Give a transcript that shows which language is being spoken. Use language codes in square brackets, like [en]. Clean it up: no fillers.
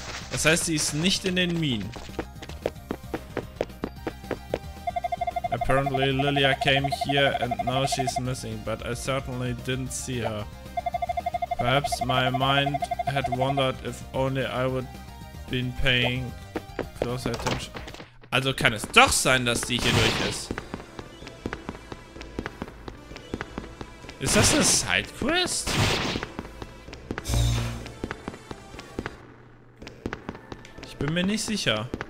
[de] Das heißt, sie ist nicht in den Minen. [en] Apparently Lilia came here and now she's missing, but I certainly didn't see her. Perhaps my mind had wondered if only I would been paying close attention. [de] Also kann es doch sein, dass die hier durch ist. Ist das eine Sidequest? Ich bin mir nicht sicher.